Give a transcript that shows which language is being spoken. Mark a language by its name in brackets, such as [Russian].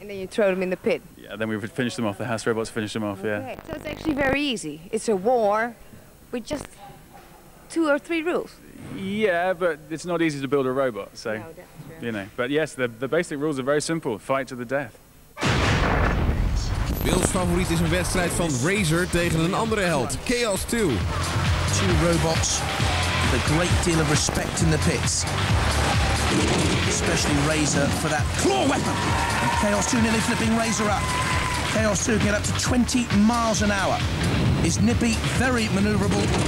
[English] And then you throw them in the pit? Yeah, then we would finish them off, the house robots finish them off, okay. Yeah. So it's actually very easy. It's a war with just two or three rules. Yeah, but it's not easy to build a robot, so, no, that's true. You know. But yes, the basic rules are very simple, fight to the death. [Dutch] Wil's favoriet is een wedstrijd van Razor tegen een andere held, Chaos 2. [English] Two robots with a great deal of respect in the pits. Especially Razor for that claw weapon. And Chaos 2 nearly flipping Razor up. Chaos 2 can get up to 20 miles an hour. Is Nippy very maneuverable?